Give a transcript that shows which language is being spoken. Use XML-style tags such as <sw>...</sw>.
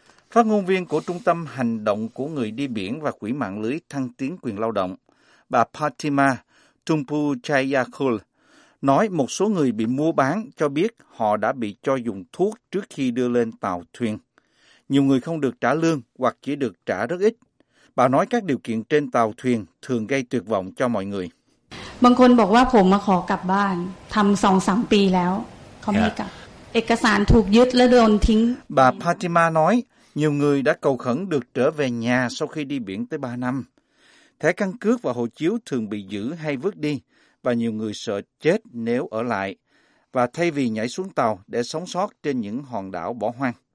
<vi>Phát ngôn viên của Trung tâm Hành động của Người đi biển và Quỹ mạng lưới thăng tiến quyền lao động, bà Patima Tumpuchayakul, nói một số người bị mua bán cho biết họ đã bị cho dùng thuốc trước khi đưa lên tàu thuyền. Nhiều người không được trả lương hoặc chỉ được trả rất ít. Bà nói các điều kiện trên tàu thuyền thường gây tuyệt vọng cho mọi người.</vi> <th>Bằng คน บอก ว่า ผม ขอ กลับ บ้าน ทํา 2-3 ปี แล้ว เขา ไม่ กลับ เอก สาร ถูก ยึด และ โดน ทิ้ง</th> <vi>Bà Fatima nói nhiều người đã cầu khẩn được trở về nhà sau khi đi biển tới 3 năm. Thẻ căn cước và hộ chiếu thường bị giữ hay vứt đi và nhiều người sợ chết nếu ở lại và thay vì nhảy xuống tàu để sống sót trên những hòn đảo bỏ hoang.</vi>